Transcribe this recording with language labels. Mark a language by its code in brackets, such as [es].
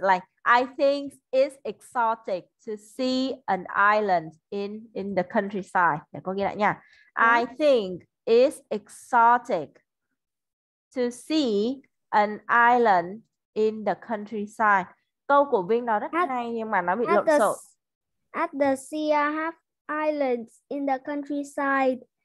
[en] Like, I think it's exotic to see an island in the countryside. [vi] Để cô ghi lại nha. [en] I think it's exotic to see an island in the countryside. [vi] Câu của Vinh nó rất hay nhưng mà nó bị lộn xộn. [en] At the sea, I have islands in the countryside.